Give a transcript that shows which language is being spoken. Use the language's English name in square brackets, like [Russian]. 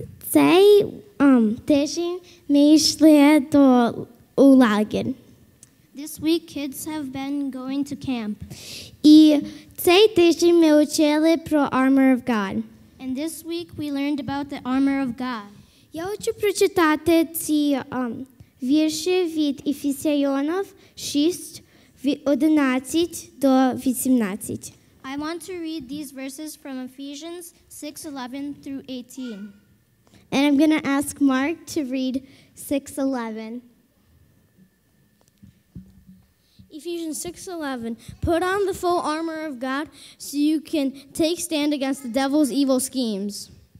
[Ukrainian] Цей тиждень ми йшли до лагеря. [English] This week kids have been going to camp. [Ukrainian] І цей тиждень ми вчили про [English] armor of God. And this week we learned about the armor of God. [Ukrainian] Я хочу прочитати ці вірші від Ефесянам 6:11-18. [English] I want to read these verses from Ephesians 6:11-18. And I'm going to ask Mark to read 6:11. Ephesians 6:11, put on the full armor of God so you can take stand against the devil's evil schemes.